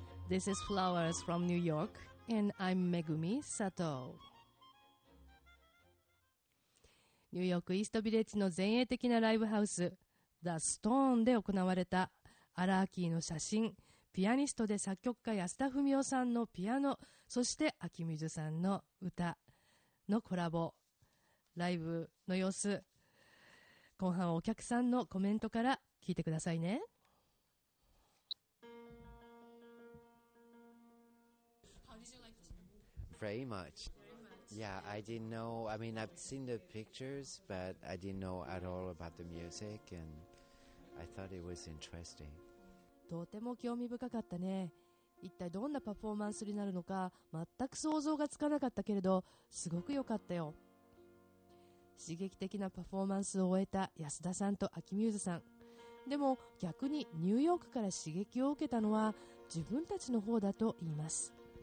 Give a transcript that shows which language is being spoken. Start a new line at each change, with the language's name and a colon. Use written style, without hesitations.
English: This is Flowers from New York, and I'm Megumi Sato.
Japanese: ニューヨークイーストビレッジの前衛的なライブハウス、The Stone で行われたアラーキーの写真、ピアニストで作曲家安田文雄さんのピアノ、そして秋水さんの歌のコラボライブの様子、後半はお客さんのコメントから聞いてくださいね。
English: Very much. Yeah, I didn't know. I mean, I've seen the pictures, but I didn't know at all about the music, and I thought it was interesting.
Japanese: とても興味深かったね。一体どんなパフォーマンスになるのか全く想像がつかなかったけれど、すごく良かったよ。刺激的なパフォーマンスを終えた安田さんと秋ミューズさん。でも逆にニューヨークから刺激を受けたのは自分たちの方だと言います。